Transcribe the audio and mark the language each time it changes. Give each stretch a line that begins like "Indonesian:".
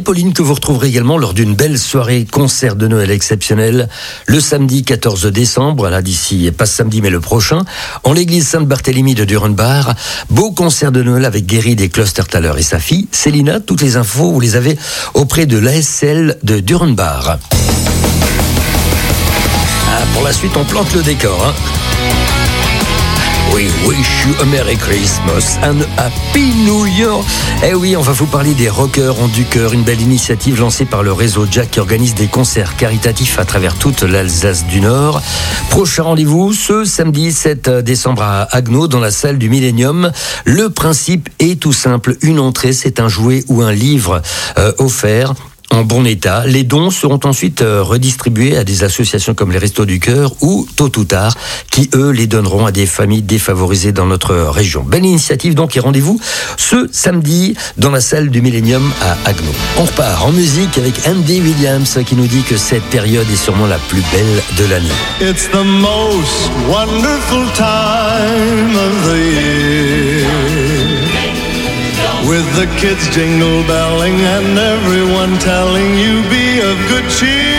French: Pauline, que vous retrouverez également lors d'une belle soirée concert de Noël exceptionnelle le samedi 14 décembre, là d'ici, pas samedi mais le prochain, en l'église Saint-Barthélemy de Durenbach. Beau concert de Noël avec Guéry des Klostertaler et sa fille Célina. Toutes les infos, vous les avez auprès de l'ASL de Durenbach. Ah, pour la suite, on plante le décor, hein.
English: We wish you a Merry Christmas and a Happy New Year.
French: Eh oui, on va vous parler des Rockers ont du cœur, une belle initiative lancée par le réseau Jack qui organise des concerts caritatifs à travers toute l'Alsace du Nord. Prochain rendez-vous, ce samedi 7 décembre à Haguenau, dans la salle du Millennium. Le principe est tout simple, une entrée, c'est un jouet ou un livre offert. En bon état, les dons seront ensuite redistribués à des associations comme les Restos du Cœur ou tôt ou tard, qui eux les donneront à des familles défavorisées dans notre région. Belle initiative donc et rendez-vous ce samedi dans la salle du Millennium à Haguenau. On repart en musique avec Andy Williams qui nous dit que cette période est sûrement la plus belle de l'année.
English: It's the most wonderful time of the year. With the kids jingle belling and everyone telling you be of good cheer.